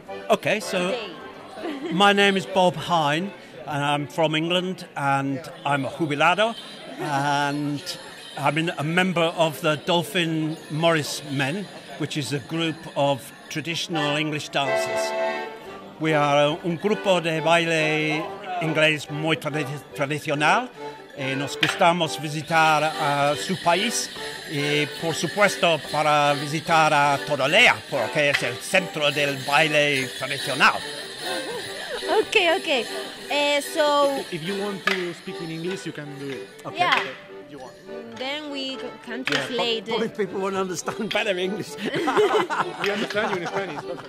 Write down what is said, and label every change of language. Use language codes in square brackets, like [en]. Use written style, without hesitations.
[en] Okay, so my name is Bob Hine, and I'm from England, and I'm a jubilado, and I'm a member of the Dolphin Morris Men, which is a group of traditional English dancers. We are [es] un grupo de baile inglés muy tradicional. Nos gustamos visitar su país y por supuesto para visitar a Todolella, porque es el centro del baile tradicional. [en] Okay, okay. So if you want to speak in English, you can do it. Okay. Yeah. Then we can translate. Yeah, probably people won't understand better English. We understand you in Spanish.